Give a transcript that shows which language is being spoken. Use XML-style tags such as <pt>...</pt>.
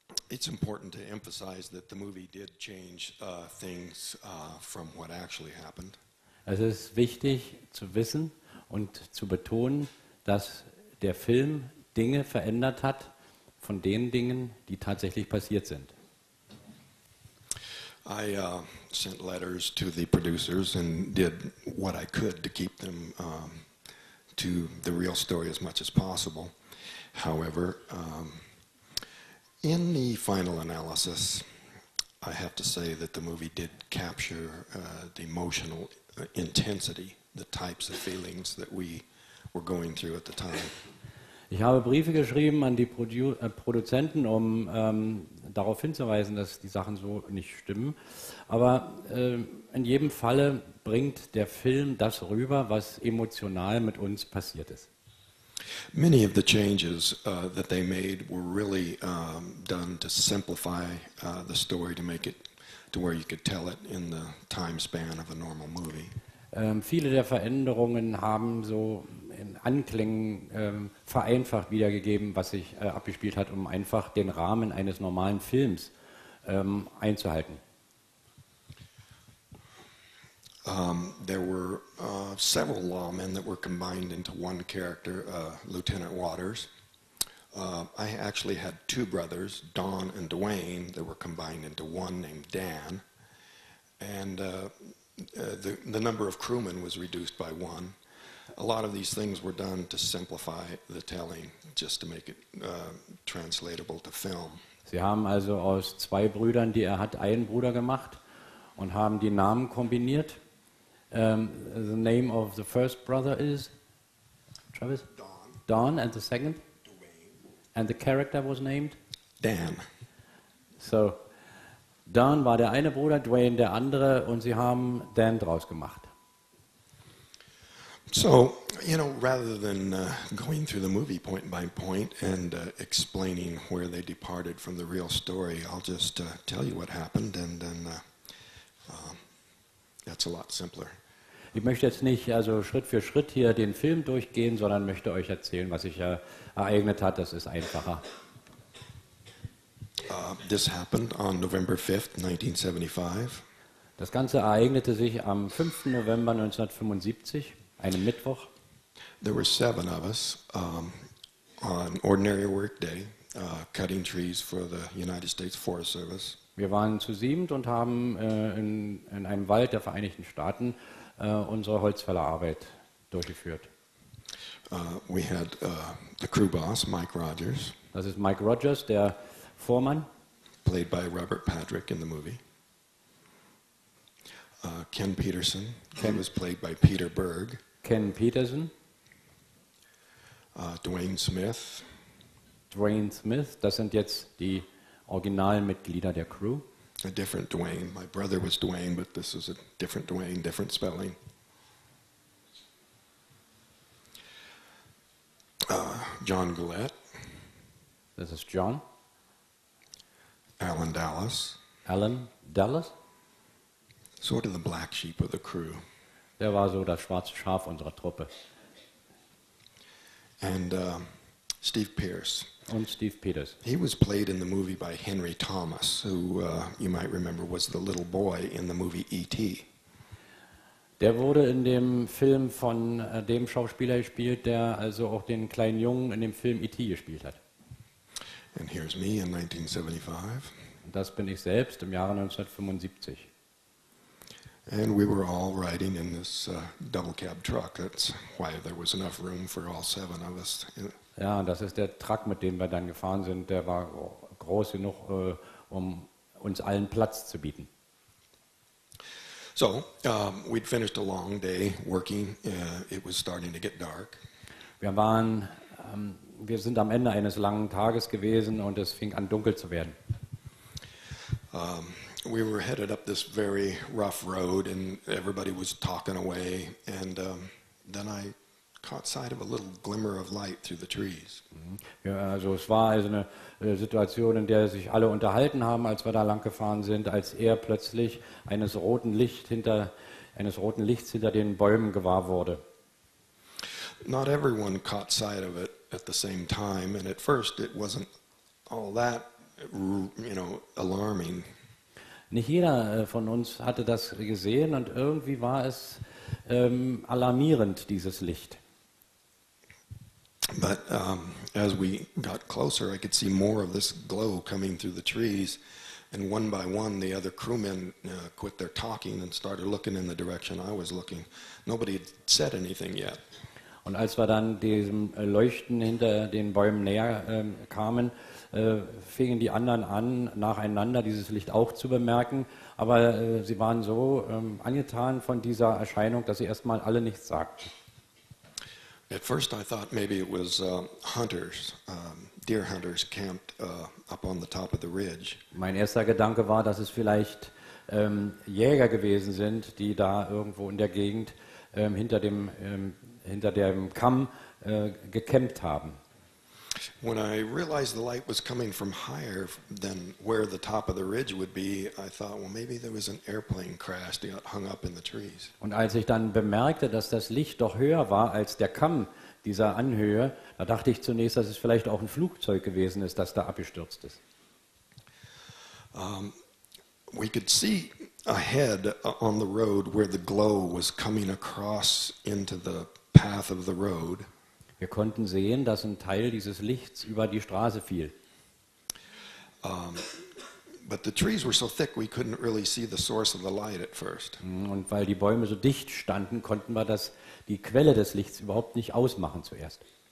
<en>It's important to emphasize that the movie did change things from what actually happened.</en> <de>Es ist wichtig zu wissen und zu betonen, dass der Film Dinge verändert hat von den Dingen, die tatsächlich passiert sind.</de> <en>I sent letters to the producers and did what I could to keep them to the real story as much as possible. However, in the final analysis, I have to say that the movie did capture the emotional intensity, the types of feelings that we were going through at the time.</en> <de>Ich habe Briefe geschrieben an die Produzenten, um darauf hinzuweisen, dass die Sachen so nicht stimmen. Aber in jedem Falle bringt der Film das rüber, was emotional mit uns passiert ist.</de> <en>Many of the changes that they made were really done to simplify the story, to make it to where you could tell it in the time span of a normal movie.</en> <de>Viele der Veränderungen haben so in Anklängen vereinfacht wiedergegeben, was sich abgespielt hat, um einfach den Rahmen eines normalen Films einzuhalten.</de> <en>There were several lawmen that were combined into one character, Lieutenant Waters. I actually had two brothers, Don and Dwayne, that were combined into one named Dan. And the number of crewmen was reduced by one. A lot of these things were done to simplify the telling, just to make it translatable to film.</en> <de>Sie haben also aus zwei Brüdern, die er hat, einen Bruder gemacht und haben die Namen kombiniert.</de> <en>The name of the first brother is Travis. Don, and the second, Dwayne. And the character was named Dan.</en> <de>So, Don war der eine Bruder, Dwayne der andere, und sie haben Dan draus gemacht.</de> <en>So, you know, rather than going through the movie point by point and explaining where they departed from the real story, I'll just tell you what happened, and then that's a lot simpler.</en> <de>Ich möchte jetzt nicht also Schritt für Schritt hier den Film durchgehen, sondern möchte euch erzählen, was sich ereignet hat. Das ist einfacher.</de> <en>This happened on November 5th, 1975.</en> <de>Das Ganze ereignete sich am 5. November 1975, einem Mittwoch.</de> <en>There were seven of us on ordinary work day, cutting trees for the United States Forest Service.</en> <de>Wir waren zu siebend und haben in einem Wald der Vereinigten Staaten unsere Holzfällerarbeit durchgeführt.</de> <en>We had the crew boss, Mike Rogers.</en> <de>Das ist Mike Rogers, der Vormann.</de> <en>Played by Robert Patrick in the movie. Ken Peterson. Ken was played by Peter Berg. Ken Peterson. Dwayne Smith.</en> <de>Dwayne Smith, das sind jetzt die originalen Mitglieder der Crew.</de> <en>A different Dwayne. My brother was Dwayne, but this is a different Dwayne, different spelling. John Gillette. This is John. Alan Dallas. Alan Dallas. Sort of the black sheep of the crew.</en> <de>Der war so das schwarze Schaf unserer Truppe.</de> <en>And Steve Pierce.</en> <de>Und Steve Peters.</de> <en>He was played in the movie by Henry Thomas, who you might remember was the little boy in the movie E.T.</en> <de>Der wurde in dem Film von dem Schauspieler gespielt, der also auch den kleinen Jungen in dem Film E.T. gespielt hat.</de> <en>And here's me in 1975.</en> <de>Das bin ich selbst im Jahre 1975.</de> <en>And we were all riding in this double cab truck. That's why there was enough room for all seven of us.</en> <de>Ja, das ist der Truck, mit dem wir dann gefahren sind. Der war groß genug, um uns allen Platz zu bieten.</de> <en>So, we'd finished a long day working. It was starting to get dark.</en> <de>Wir sind am Ende eines langen Tages gewesen und es fing an, dunkel zu werden.</de> <en>We were headed up this very rough road and everybody was talking away. And then I caught sight of a little glimmer of light through the trees.</en> <de>Ja, also es war also eine Situation, in der sich alle unterhalten haben, als wir da lang gefahren sind, als er plötzlich eines roten Licht hinter eines roten Lichts hinter den Bäumen gewahr wurde.</de> <en>Not everyone caught sight of it at the same time, and at first it wasn't all that, you know, alarming.</en> <de>Nicht jeder von uns hatte das gesehen, und irgendwie war es alarmierend, dieses Licht.</de> <en>But as we got closer, I could see more of this glow coming through the trees, and one by one, the other crewmen quit their talking and started looking in the direction I was looking. Nobody had said anything yet.</en> <de>Und als wir dann diesem Leuchten hinter den Bäumen näher kamen, fingen die anderen an, nacheinander dieses Licht auch zu bemerken. Aber sie waren so angetan von dieser Erscheinung, dass sie erstmal alle nichts sagten.</de> <en>At first I thought maybe it was hunters, deer hunters camped up on the top of the ridge.</en> <de>Mein erster Gedanke war, dass es vielleicht Jäger gewesen sind, die da irgendwo in der Gegend hinter dem Kamm gekämpft haben.</de> <en>When I realized the light was coming from higher than where the top of the ridge would be, I thought, well, maybe there was an airplane crash that got hung up in the trees.</en> <de>Und als ich dann bemerkte, dass das Licht doch höher war als der Kamm dieser Anhöhe, da dachte ich zunächst, dass es vielleicht auch ein Flugzeug gewesen ist, das da abgestürzt ist.</de> <en>We could see ahead on the road where the glow was coming across into the path of the road.</en> <de>Wir konnten sehen, dass ein Teil dieses Lichts über die Straße fiel.</de> <en>But the trees were so thick we couldn't really see the source of the light at first.</en> <de>Und weil die Bäume so dicht standen, konnten wir das die Quelle des Lichts überhaupt nicht ausmachen zuerst.</de>